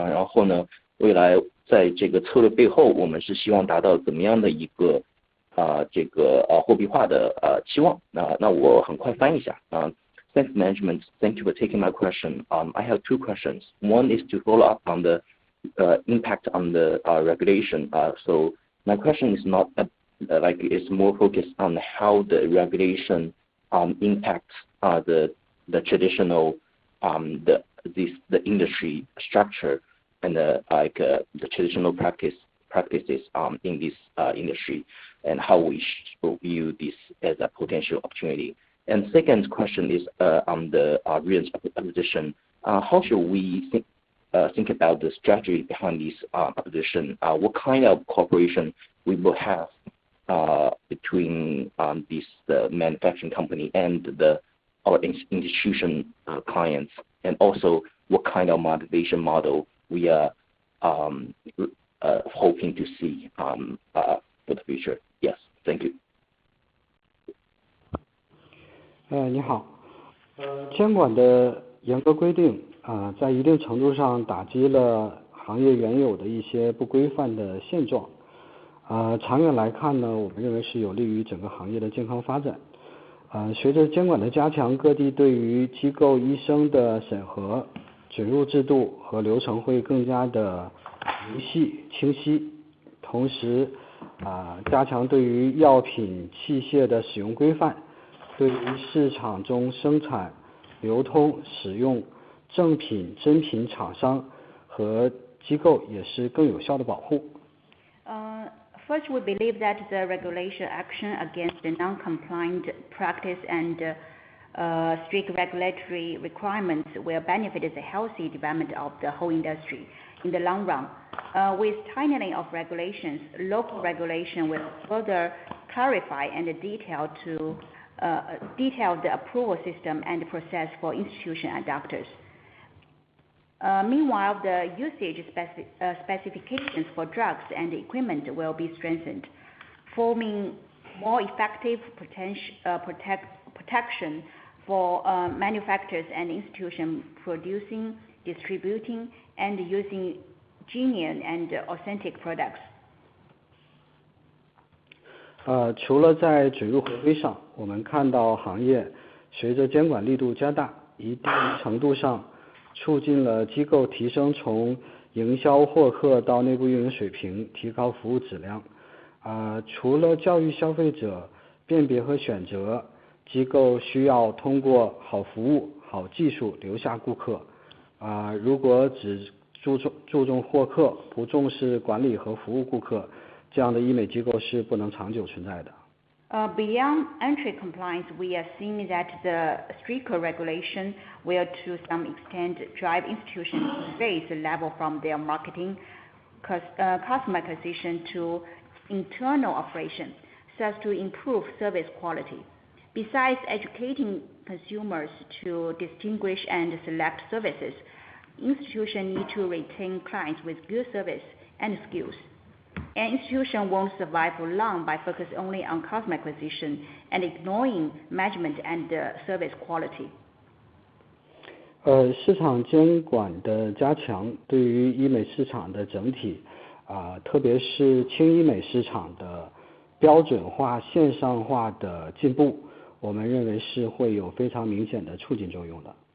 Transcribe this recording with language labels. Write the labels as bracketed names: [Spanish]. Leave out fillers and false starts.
[Chinese] 然后呢，未来在这个策略背后，我们是希望达到怎么样的一个货币化的期望？那我很快翻一下啊。 [English] Thanks management, thank you for taking my question. I have two questions. One is to follow up on the impact on the regulation. So my question is not like it's more focused on how the regulation. Impacts the traditional the industry structure and the traditional practices in this industry and how we should view this as a potential opportunity. And second question is on the Rian's acquisition. How should we think about the strategy behind this acquisition? What kind of cooperation we will have? Between this manufacturing company and the our institution clients, and also what kind of monetization model we are hoping to see for the future. Yes, thank you. [Chinese] 你好，监管的严格规定在一定程度上打击了行业原有的一些不规范的现状，长远来看呢，我们认为是有利于整个行业的健康发展。随着监管的加强，各地对于机构医生的审核准入制度和流程会更加的明细清晰，同时加强对于药品器械的使用规范，对于市场中生产流通使用正品真品厂商和机构也是更有效的保护。 [English] First, we believe that the regulation action against the non-compliant practice and strict regulatory requirements will benefit the healthy development of the whole industry in the long run. With tightening of regulations, local regulation will further clarify and detail the approval system and process for institutions and doctors. Meanwhile, the usage specifications for drugs and equipment will be strengthened, forming more effective protection for manufacturers and institutions producing, distributing, and using genuine and authentic products. [Chinese] 除了在准入合规上，我们看到行业随着监管力度加大，一定程度上促进了机构提升从营销获客到内部运营水平，提高服务质量。除了教育消费者辨别和选择，机构需要通过好服务、好技术留下顾客。如果只注重获客，不重视管理和服务顾客，这样的医美机构是不能长久存在的。 [English] Beyond entry compliance, we are seeing that the stricter regulation will to some extent drive institutions to raise the level from their marketing, customer acquisition to internal operation, so as to improve service quality. Besides educating consumers to distinguish and select services, institutions need to retain clients with good service and skills. An institution won't survive for long by focusing only on customer acquisition and ignoring management and service quality. [Chinese] 市场监管的加强对于医美市场的整体，特别是轻医美市场的标准化、线上化的进步，我们认为是会有非常明显的促进作用的。